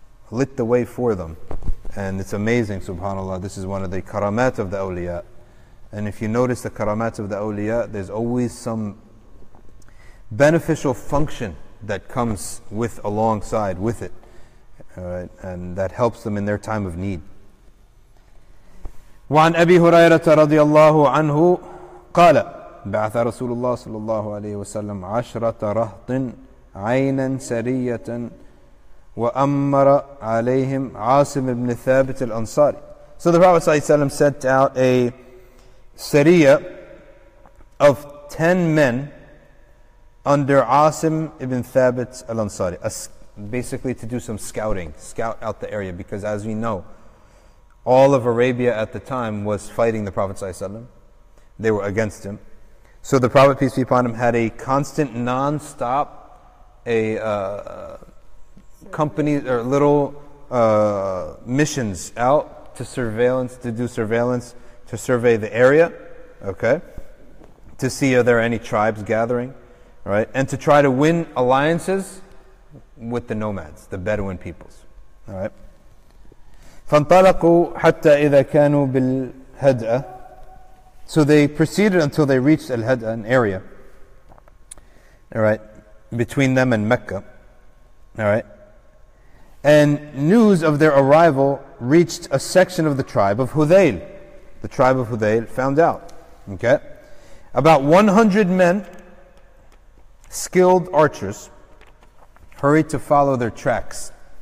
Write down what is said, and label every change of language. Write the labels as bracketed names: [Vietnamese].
[English] Lit the way for them. And it's amazing, subhanAllah. This is one of the karamat of the awliya. And if you notice the karamat of the awliya, there's always some beneficial function that comes with alongside with it, and that helps them in their time of need. [Arabic] وعن أبي هريرة رضي الله عنه قال بعث رسول الله صلى الله عليه وسلم عشرة رهط عينا سرية وأمر عليهم عاصم بن ثابت الأنصاري. [English] So the Prophet [Arabic] صلى الله عليه وسلم [English] sent out a sariya of 10 men. Under Asim ibn Thabit al-Ansari, basically to do some scouting, scout out the area, because as we know, all of Arabia at the time was fighting the Prophet ﷺ. They were against him. So the Prophet, peace be upon him, had a constant, non-stop, company, or little missions out to surveillance, to do surveillance, to survey the area, okay, to see are there any tribes gathering. Right, and to try to win alliances with the nomads, the Bedouin peoples. All right. [Arabic] فانطلقوا حتى إذا كانوا بالهدأ. [English] So they proceeded until they reached Al-Hada, an area. All right, between them and Mecca. All right. And news of their arrival reached a section of the tribe of Hudayl. The tribe of Hudayl found out. Okay. About 100 men, skilled archers, hurried to follow their tracks.